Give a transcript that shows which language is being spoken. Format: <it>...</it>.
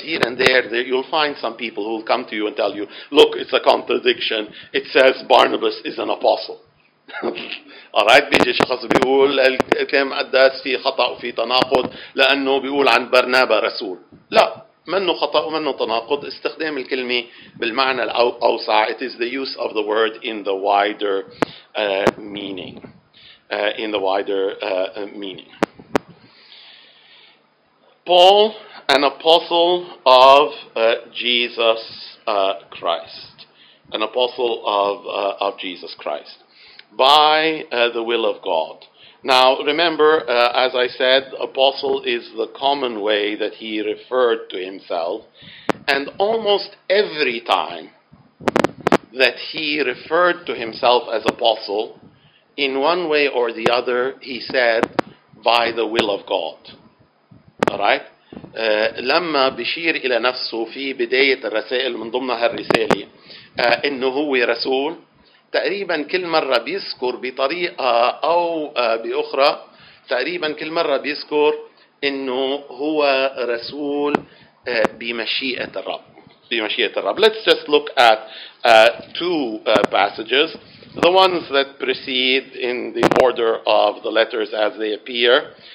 <en>Here and there, you'll find some people who will come to you and tell you, look, it's a contradiction. It says Barnabas is an apostle.</en> <ar>All right, بيجي شخص بيقول الكلام قداس في خطأ وفي تناقض لأنه بيقول عن برنابا رسول. لا, منه خطأ ومنه تناقض. استخدام الكلمة بالمعنى الأوسع.</ar> <en>It is the use of the word in the wider meaning. In the wider meaning. Paul, an apostle of Jesus Christ. An apostle of Jesus Christ. By the will of God. Now, remember, as I said, apostle is the common way that he referred to himself. And almost every time that he referred to himself as apostle, in one way or the other, he said, by the will of God. All right?</en> <ar>لما بيشير إلى نفسه في بداية الرسائل من ضمنها الرسالة إنه هو رسول, تقريبا كل مرة بيذكر بطريقة أو بأخرى, تقريبا كل مرة بيذكر إنه هو رسول بمشيئة الرب. بمشيئة الرب.</ar> <en>Let's just look at two passages, the ones that precede in the order of the letters as they appear.</en>